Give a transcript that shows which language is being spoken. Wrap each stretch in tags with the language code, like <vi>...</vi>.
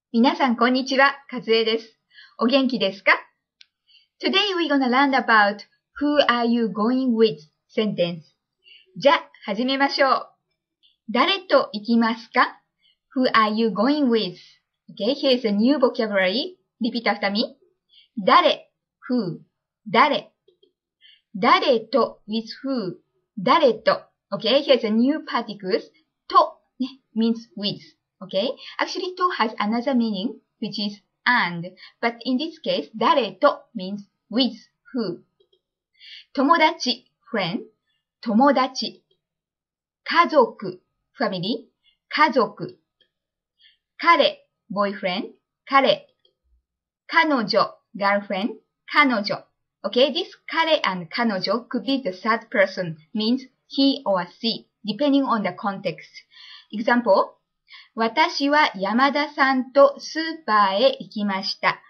<ja>皆さんこんにちは、かずえです。お元気ですか?</ja> <en>Today we're gonna learn about who are you going with sentence.</en> <ja>じゃあ始めましょう。誰と行きますか?</ja> <en>Who are you going with? Okay, here's a new vocabulary. Repeat after me.</en> <ja>誰, who, 誰。誰と</ja> <en>with who,</en> <ja>誰と。</ja> <en>Okay, here's a new particles. と、ね、means with. Okay. Actually, to has another meaning, which is and. But in this case, 誰と means with who.</en> <ja>友達 friend. 友達。家族 family. 家族。彼 boyfriend. 彼。彼女 girlfriend. 彼女。Okay.</ja> <en>This 彼 and 彼女 could be the third person, means he or she, depending on the context. Example.</en> <ja>私は山田さんとスーパーへ行きました。</ja>